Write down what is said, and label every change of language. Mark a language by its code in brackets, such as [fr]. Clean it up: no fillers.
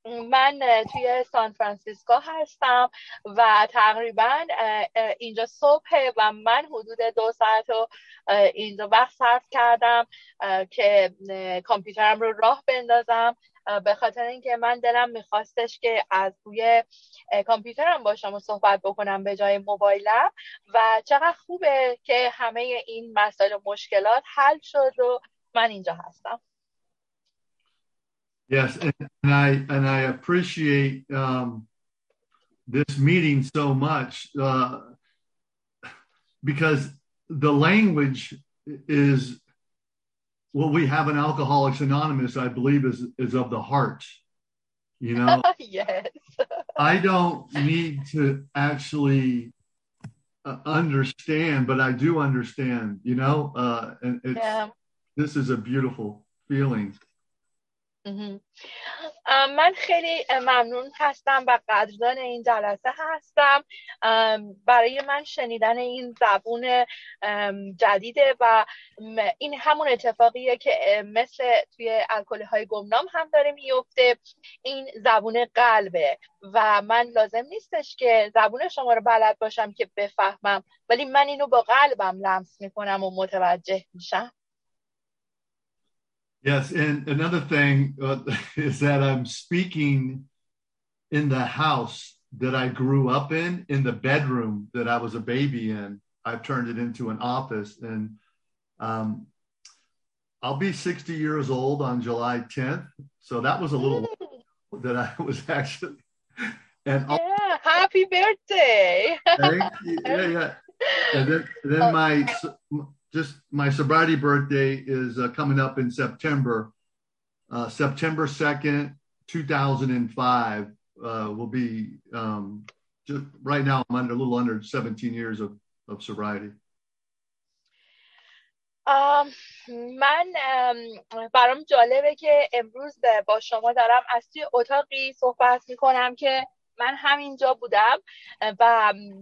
[fa] من توی سان فرانسیسکو هستم و تقریبا اینجا صبحه و من حدود 2 ساعت رو اینجا وقت صرف کردم که کامپیوترم رو راه بندازم به خاطر اینکه من دلم میخواستش که از روی کامپیوترم با شما صحبت بکنم به جای موبایلم و چقدر خوبه که همه این مسائل و مشکلات حل شد و من اینجا هستم. [en] Yes, and I appreciate this meeting so much because the language is what we have in Alcoholics Anonymous, I believe, is of the heart, you know? Yes. I don't need to actually understand, but I do understand, you know? And it's, yeah. This is a beautiful feeling. [fa] من خیلی ممنون هستم و قدردان این جلسه هستم. برای من شنیدن این زبون جدیده و این همون اتفاقیه که مثل توی الکلی‌های گمنام هم داره میفته. این زبون قلبه و من لازم نیستش که زبون شما رو بلد باشم که بفهمم، ولی من اینو با قلبم لمس میکنم و متوجه میشم. [en] Yes, and another thing is that I'm speaking in the house that I grew up in the bedroom that I was a baby in. I've turned it into an office, and I'll be 60 years old on July 10th. So that was a little that I was actually. And yeah, happy birthday. Thank you. Yeah, yeah. And then my... Just my sobriety birthday is coming up in September. September 2nd, 2005 will be just right now. I'm under a little under 17 years of sobriety. [fa] من برام جالبه که امروز با شما دارم از توی اتاقی صحبت میکنم که من همینجا بودم و